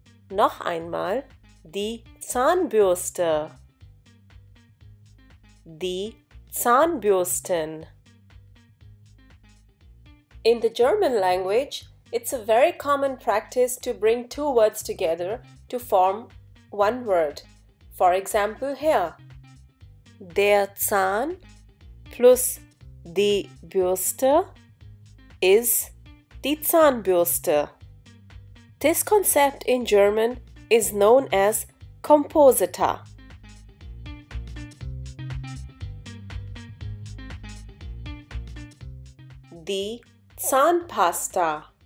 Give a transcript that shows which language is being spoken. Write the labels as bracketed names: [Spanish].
[German] Noch einmal die Zahnbürste. Die Zahnbürsten. [English] In the German language, it's a very common practice to bring two words together to form one word. For example, here. [German] Der Zahn plus die Bürste is die Zahnbürste. [English] This concept in German is known as Komposita. [German] Die Zahnpasta.